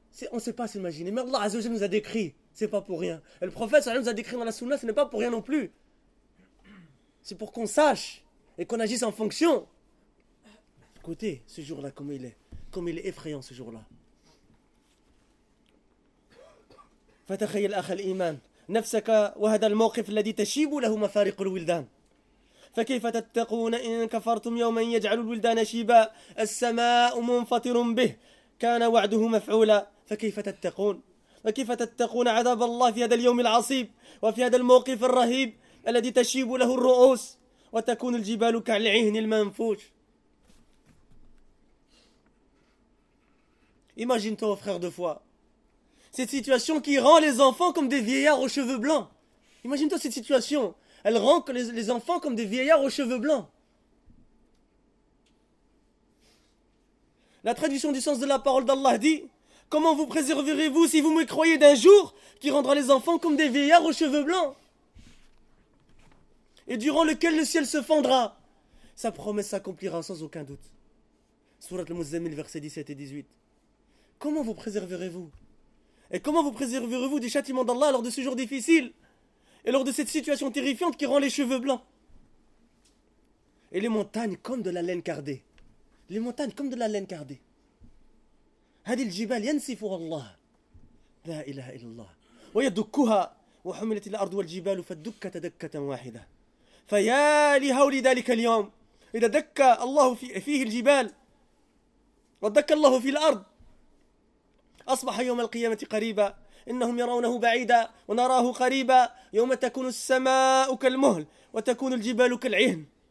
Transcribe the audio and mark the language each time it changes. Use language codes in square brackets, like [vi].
[fr] On ne sait pas s'imaginer, mais Allah Azza wa Jalla nous a décrit. Ce n'est pas pour rien. Et le prophète nous a décrit dans la sunna, ce n'est pas pour rien non plus. C'est pour qu'on sache et qu'on agisse en fonction. Écoutez, ce jour-là, comme il est effrayant ce jour-là. Fatakhayyal akhal iman, [ar] نفسك وهذا الموقف الذي تشيب له مفارق الولدان. فكيف تتقون إن كفرتم يوما يجعل الولدان شيبا، السماء منفطر به كان وعده مفعولا. فكيف تتقون، وكيف تتقون عذاب الله في هذا اليوم العصيب وفي هذا الموقف الرهيب الذي تشيب له الرؤوس وتكون الجبال كالعهن المنفوش؟ Imagine-toi, frère de foi, cette situation qui rend les enfants comme des vieillards aux cheveux blancs. [fr] Imagine-toi cette situation. Elle rend les enfants comme des vieillards aux cheveux blancs. La traduction du sens de la parole d'Allah dit: comment vous préserverez-vous si vous me croyez d'un jour qui rendra les enfants comme des vieillards aux cheveux blancs, et durant lequel le ciel se fendra? Sa promesse s'accomplira sans aucun doute. Sourate Al-Muzzammil, versets 17 et 18. Comment vous préserverez-vous? Et comment vous préserverez-vous du châtiment d'Allah lors de ce jour difficile et lors de cette situation terrifiante qui rend les cheveux blancs? Et les montagnes comme de la laine cardée. Les montagnes comme de la laine cardée. [ar] هذه الجبال ينسف الله لا إله إلا الله ويدكها وحملت الأرض والجبال فدكت دكة واحدة فيا لهول ذلك اليوم إذا دك الله فيه الجبال ودك الله في الأرض أصبح يوم القيامة قريبا إنهم يرونه بعيدا ونراه قريبا يوم تكون السماء كالمهل وتكون الجبال كالعهن.